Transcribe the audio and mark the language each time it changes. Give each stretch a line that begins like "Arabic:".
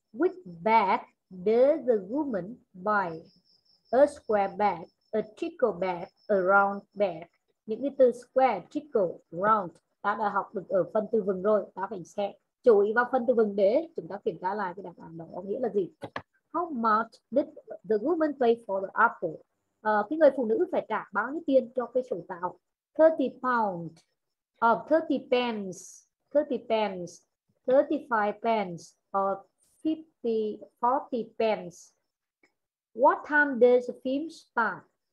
English: Which bag does the woman buy? A square bag, a trickle bag, a round bag.
Vietnamese: Những cái từ square, trickle, round ta đã học được ở phần từ vựng rồi. Ta phải xem, chú ý vào phần từ vựng để chúng ta kiểm tra lại cái đáp án đó có nghĩa là gì.
English: How much did the woman pay for the apple?
Vietnamese: Cái người phụ nữ phải trả bao nhiêu tiền cho cái sổ táo?
English: 30 pounds, 30 pence, 30 pence, 35 pence, or 40 pence. What time does the film start?